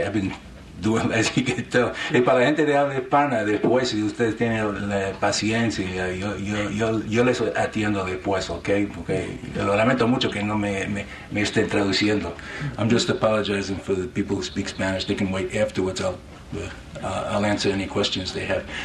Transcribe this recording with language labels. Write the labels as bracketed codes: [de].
[en] I've been doing, as you can tell. [es] Y para la gente de habla hispana, después, si ustedes tienen la paciencia, yo les atiendo después, okay? Porque lo lamento mucho que no me esté traduciendo. [en] I'm just apologizing for the people who speak Spanish. They can wait afterwards. I'll answer any questions they have.